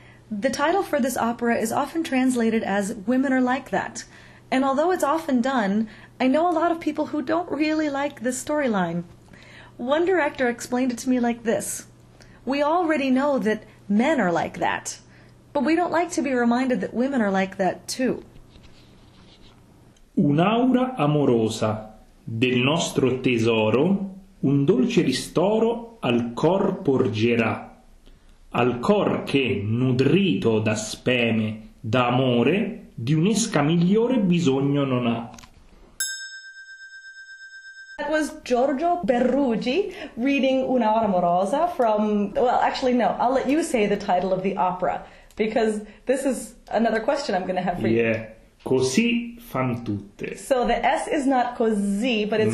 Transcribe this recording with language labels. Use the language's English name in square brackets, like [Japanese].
[English] The title for this opera is often translated as Women Are Like That, and although it's often done, I know a lot of people who don't really like this storyline. One director explained it to me like this: we already know that men are like that, but we don't like to be reminded that women are like that too. [Italian] Un'aura amorosa, del nostro tesoro, un dolce ristoro al cor porgerà. Al cor che, nudrito da speme, da amore, di un'esca migliore bisogno non ha. [English] That was Giorgio Berruggi reading Un'aura amorosa from, well, actually, no, I'll let you say the title of the opera, because this is another question I'm going to have for you. Yeah, Così fan tutte. So the S is not così, but it's